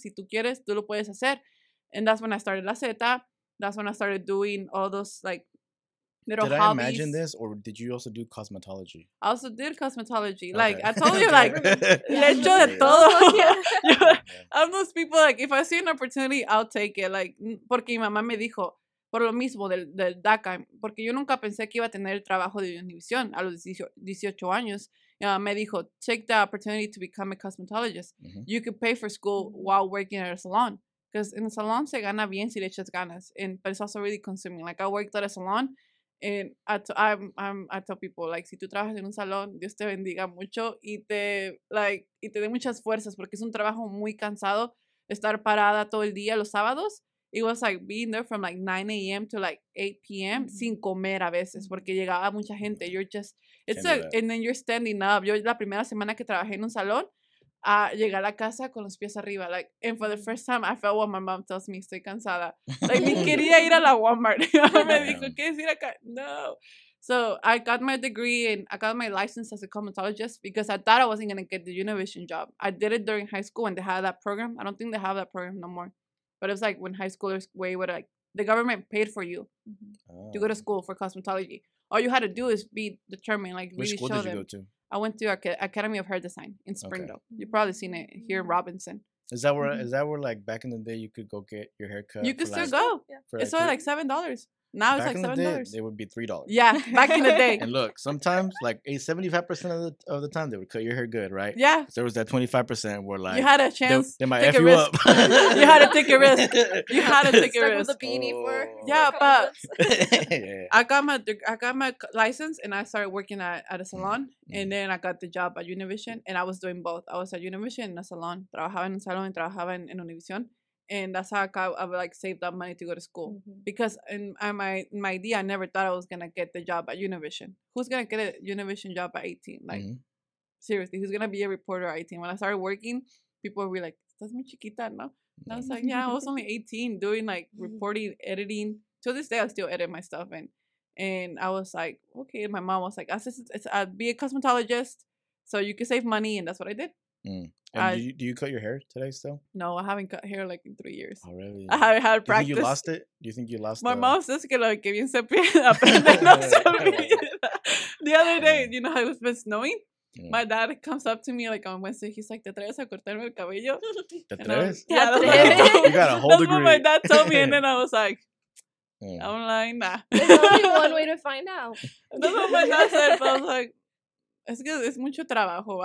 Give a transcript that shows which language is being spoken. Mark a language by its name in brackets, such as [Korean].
[English] Si tú quieres, tú lo puedes hacer. And that's when I started La Zeta. That's when I started doing all those, like, little did hobbies. I imagine this, or did you also do cosmetology? I also did cosmetology. Okay. Like, I told you, like, lecho de todo. Yeah. I'm those people, like, if I see an opportunity, I'll take it. [Spanish] Like, porque mi mamá me dijo, por lo mismo del DACA, porque yo nunca pensé que iba a tener el trabajo de Univision a los 18 años. [English] Me dijo, take the opportunity to become a cosmetologist. Mm-hmm. You could pay for school while working at a salon. Because in the salon, se gana bien si le echas ganas. But it's also really consuming. [Spanish] Like, I worked at a salon. And I tell people, like, si tú trabajas en un salón, Dios te bendiga mucho y te dé muchas fuerzas porque es un trabajo muy cansado estar parada todo el día los sábados. [English] It was like being there from like 9 a.m. to like 8 p.m. Mm-hmm. [Spanish] sin comer a veces porque llegaba mucha gente. And then you're standing up. Yo la primera semana que trabajé en un salón, llegué a la casa con los pies arriba. [English] Like, and for the first time, I felt what my mom tells me, estoy cansada. [Spanish] Like, ni quería ir a la Walmart. Me dijo, ¿quieres ir acá? No. [English] So I got my degree and I got my license as a cosmetologist because I thought I wasn't going to get the Univision job. I did it during high school and they had that program. I don't think they have that program no more. But it was like when high schoolers were able to, like, the government paid for you to go to school for cosmetology. All you had to do is be determined, like, which really school show did them. You go to? I went to Academy of Hair Design in Springdale. Okay. You've probably seen it here in Robinson. Is that where, like, back in the day you could go get your hair cut? You could still go. Yeah. It's only like $7. Now back it's like $7. It would be $3. Yeah, back in the day. And look, sometimes, like, 75% of the time, they would cut your hair good, right? Yeah. So there was that 25% where, like, you had a chance. They might F you up. You had to take a risk. You had to take a risk. Stuck with a beanie for. Yeah, but I got my license and I started working at a salon. Mm-hmm. And then I got the job at Univision and I was doing both. I was at Univision and a salon. [Spanish] Trabajaba en un salón y trabajaba en Univision. [English] And that's how I like saved up money to go to school. Mm-hmm. Because in my idea, I never thought I was going to get the job at Univision. Who's going to get a Univision job at 18? Like, seriously, who's going to be a reporter at 18? When I started working, people would be like, that's muy chiquita, no? And I was like, yeah, I was only 18 doing like reporting, editing. To this day, I still edit my stuff. And I was like, okay. My mom was like, I'll be a cosmetologist so you can save money. And that's what I did. Mm. And do you cut your hair today still? No, I haven't cut hair like in 3 years. Oh, really? I haven't had practice. You lost it? Do you think you lost it? [Spanish] My mom says que lo que bien se aprende no se olvida. [English] The other day, you know how it's been snowing? Yeah. My dad comes up to me like on Wednesday. He's like, ¿te atreves a cortarme el cabello? [Spanish] ¿Te atreves? [English] Yeah, that's what you got a whole that's degree. What my dad told me, and then I was like, yeah. I'm lying, nah. There's only one way to find out. That's what my dad said, but I was like, it's good. It's mucho trabajo.